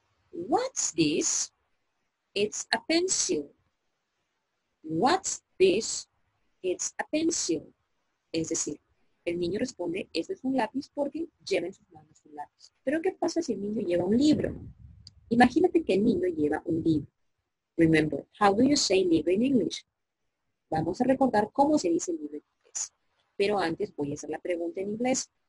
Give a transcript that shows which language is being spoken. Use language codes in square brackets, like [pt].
[en] What's this? It's a pencil. What's this? It's a pencil. [es] Es decir, el niño responde, este es un lápiz porque lleva en sus manos un lápiz. Pero ¿qué pasa si el niño lleva un libro? Imagínate que el niño lleva un libro. [en] Remember, how do you say libro in English? [es] Vamos a recordar cómo se dice libro en inglés. Pero antes voy a hacer la pregunta en inglés.